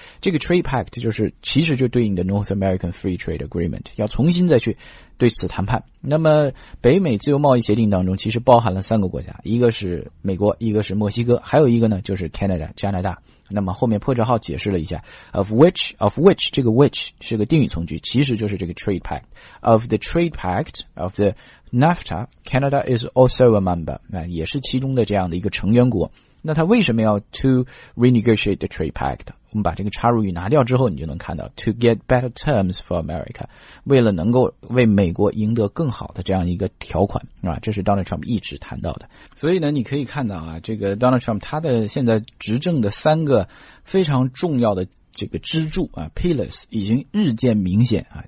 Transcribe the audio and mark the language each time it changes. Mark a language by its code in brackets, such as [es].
[zh] 这个 trade pact 就是其实就对应的 North American Free Trade Agreement， 要重新再去对此谈判。那么北美自由贸易协定当中其实包含了三个国家，一个是美国，一个是墨西哥，还有一个呢就是 Canada 加拿大。那么后面破折号解释了一下 of which 这个 which 是个定语从句，其实就是这个 trade pact。 [en] Of the trade pact of the NAFTA Canada is also a member， [zh] 也是其中的这样的一个成员国。那他为什么要 [en] to renegotiate the trade pact？ [zh] 我们把这个插入语拿掉之后，你就能看到 [en] to get better terms for America， [zh] 为了能够为美国赢得更好的这样一个条款啊，这是 Donald Trump 一直谈到的。所以呢，你可以看到啊，这个 Donald Trump 他的现在执政的三个非常重要的这个支柱啊 pillars 已经日渐明显啊。